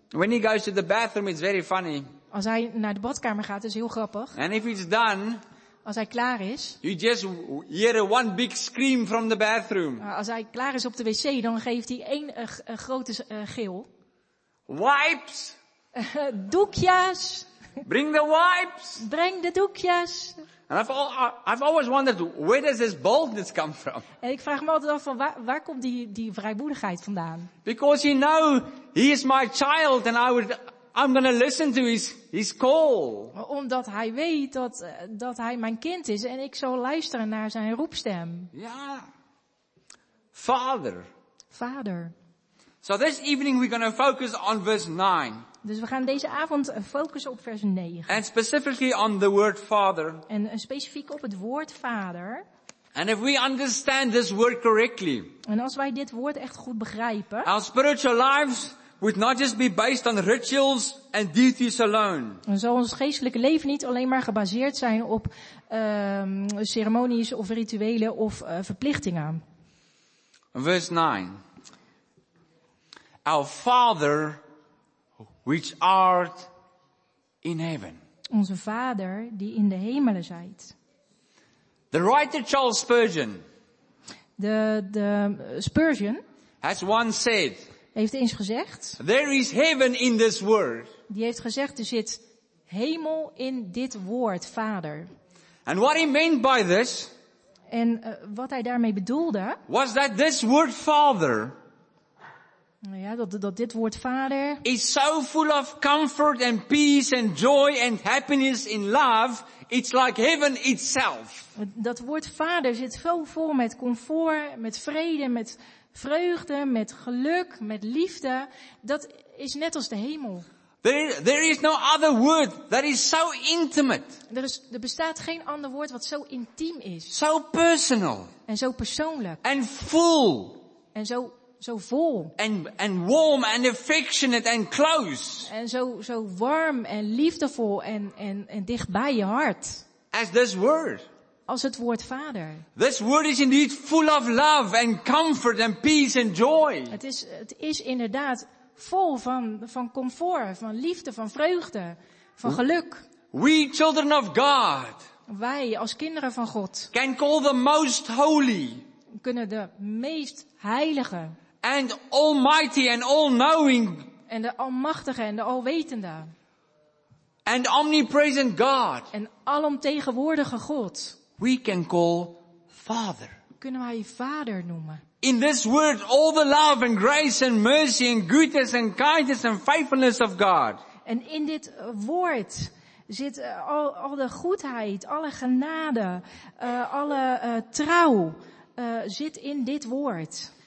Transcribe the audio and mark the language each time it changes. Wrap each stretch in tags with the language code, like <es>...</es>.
<en>When he goes to the bathroom, it's very funny.</en> <nl>Als hij naar de badkamer gaat, is heel grappig.</nl> <en>And if it's done.</en> <nl>Als hij klaar is.</nl> <en>You just hear one big scream from the bathroom.</en> <nl>Als hij klaar is op de wc, dan geeft hij één grote gil.</nl> <en>Wipes.</en> <nl>Doekjes.</nl> <en>Bring the wipes.</en> <nl>Breng de doekjes.</nl> <en>And I've always wondered, where does this boldness come from?</en> <nl>En ik vraag me altijd af van waar komt die vrijmoedigheid vandaan?</nl> <en>Because you know he is my child and I'm going to listen to his call.</en> <nl>Omdat hij weet dat hij mijn kind is en ik zal luisteren naar zijn roepstem.</nl> <en>Ja. Father.</en> <nl>Vader.</nl> <en>So this evening we're going to focus on verse 9.</en> <nl>Dus we gaan deze avond focussen op vers 9.</nl> <en>And specifically on the word father.</en> <nl>En specifiek op het woord vader.</nl> <en>And if we understand this word correctly.</en> <nl>En als wij dit woord echt goed begrijpen.</nl> <en>Our spiritual lives would not just be based on rituals and duties alone.</en> <nl>Dan zal ons geestelijke leven niet alleen maar gebaseerd zijn op ceremonies of rituelen of verplichtingen.</nl> <en>Verse 9. Our father which art in heaven.</en> <nl>Onze vader die in de hemelen zijt.</nl> <en>The writer Charles Spurgeon.</en> <nl>De Spurgeon.</nl> <en>Has once said.</en> <nl>Heeft eens gezegd.</nl> <en>There is heaven in this word.</en> <nl>Die heeft gezegd, er zit hemel in dit woord, vader.</nl> <en>And what he meant by this.</en> <nl>En wat hij daarmee bedoelde.</nl> <en>Was that this word father.</en> <nl>Ja, dat dit woord vader</nl> <en>is so full of comfort and peace and joy and happiness in love, it's like heaven itself.</en> <nl>Dat woord vader zit zo vol met comfort, met vrede, met vreugde, met geluk, met liefde. Dat is net als de hemel.</nl> <en>There is no other word that is so intimate.</en> <nl>Er bestaat geen ander woord wat zo intiem is.</nl> <en>So personal.</en> <nl>En zo persoonlijk.</nl> <en>And full.</en> <nl>En zo vol.</nl> <en>And warm and affectionate and close.</en> <nl>En zo warm en liefdevol en dicht bij je hart.</nl> <en>As this word.</en> <nl>Als het woord vader.</nl> <en>This word is indeed full of love and comfort and peace and joy.</en> <nl>Het is inderdaad vol van comfort, van liefde, van vreugde, van geluk.</nl> <en>We children of God.</en> <nl>Wij als kinderen van God.</nl> <en>Can call the most holy.</en> <nl>Kunnen de meest heilige.</nl> <en>And almighty and all knowing.</en> <nl>En de almachtige en de alwetende.</nl> <en>And omnipresent God.</en> <nl>En alomtegenwoordige God.</nl> <en>We can call Father.</en> <nl>Kunnen wij Vader noemen.</nl> <en>In this word all the love and grace and mercy and goodness and kindness and faithfulness of God.</en> <nl>En in dit woord zit al de goedheid, alle genade, alle trouw zit in dit woord.</nl>